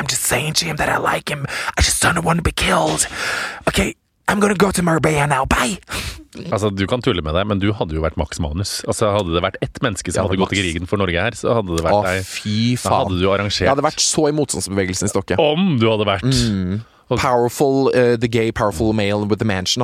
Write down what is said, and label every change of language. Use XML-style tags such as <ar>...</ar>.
<en>I'm just saying to him that I like him. I just don't want to be killed. Okay, I'm gonna go to Marbella now, bye!</en> <no>Altså, du kan tulle med deg, men du hadde jo vært Max Manus. Altså, hadde det vært ett menneske som ja, hadde gått I krigen for Norge her, så hadde det vært deg. Å, fy faen. Da hadde du arrangert. Jeg hadde vært så I motstandsbevegelsen I stokket. Om du hadde vært.</no> <en>Powerful, the gay, powerful male with the mansion.</en>